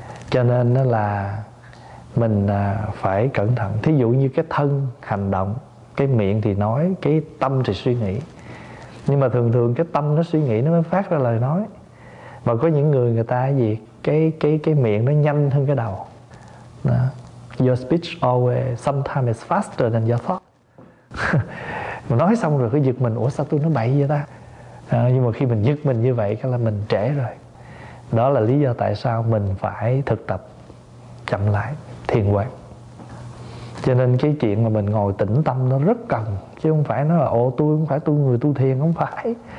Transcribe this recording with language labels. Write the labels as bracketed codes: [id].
[vi] Cho nên đó là mình phải cẩn thận. Thí dụ như cái thân hành động, cái miệng thì nói, cái tâm thì suy nghĩ. Nhưng mà thường thường cái tâm nó suy nghĩ nó mới phát ra lời nói. Mà có những người, người ta gì, cái miệng nó nhanh hơn cái đầu. Đó. [en] Your speech always sometimes is faster than your thought. [vi] Mà nói xong rồi cứ giật mình, ủa sao tôi nói bậy vậy ta. Nhưng mà khi mình giật mình như vậy, cái là mình trễ rồi. Đó là lý do tại sao mình phải thực tập chậm lại, thiền quán. Cho nên cái chuyện mà mình ngồi tĩnh tâm nó rất cần. Chứ không phải nói là ồ tôi không phải tu người tu thiền, không phải.